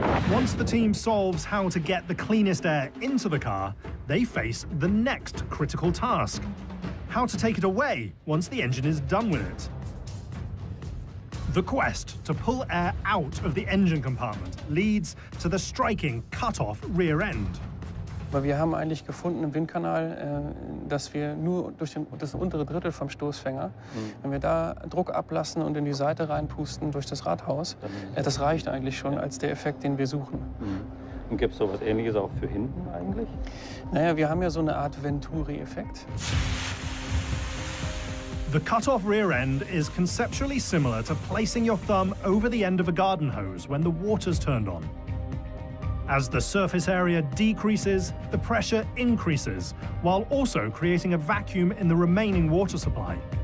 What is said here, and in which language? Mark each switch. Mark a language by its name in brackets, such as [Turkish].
[English] Once the team solves how to get the cleanest air into the car, they face the next critical task: how to take it away once the engine is done with it. The quest to pull air out of the engine compartment leads to the striking cut-off rear end. But we have [German] eigentlich gefunden im Windkanal, dass wir nur durch das untere Drittel vom Stoßfänger, wenn wir da Druck ablassen und in die Seite reinpusten durch das Radhaus, das reicht eigentlich schon als der Effekt, den wir suchen. Und gibt's so was Ähnliches auch für hinten eigentlich? Naja, wir haben ja so eine Art Venturi-Effekt. [English] The cut-off rear end is conceptually similar to placing your thumb over the end of a garden hose when the water's turned on. As the surface area decreases, the pressure increases, while also creating a vacuum in the remaining water supply.